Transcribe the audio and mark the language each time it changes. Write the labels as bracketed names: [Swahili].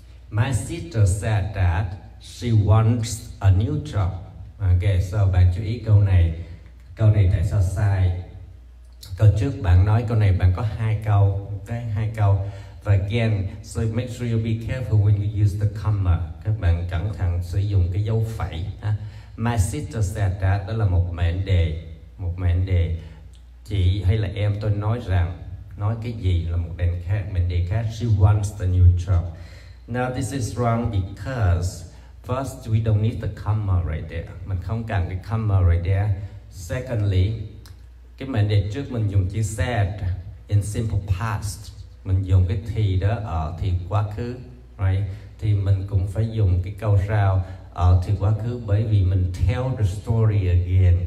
[English] My sister said that she wants a new job. [Vietnamese] Okay, so bạn chú ý câu này. Câu này tại sao sai? Câu trước bạn nói câu này bạn có hai câu. Okay, hai câu. [English] Again, so make sure you be careful when you use the comma. [Vietnamese] Các bạn cẩn thận sử dụng cái dấu phẩy. [English] My sister said that, [Vietnamese] đó là một mệnh đề. Một mệnh đề. Chị hay là em tôi nói rằng, nói cái gì là một đề khác, mệnh đề khác. [English] She wants the new job. Now this is wrong because first we don't need the comma right there. [Vietnamese] Mình không cần cái comma [English] right there. [Vietnamese] Secondly, cái mệnh đề trước mình dùng chữ said in simple past. Mình dùng cái thì đó ở thì quá khứ, right? Thì mình cũng phải dùng cái câu sau ở thì quá khứ bởi vì mình [English] tell the story again.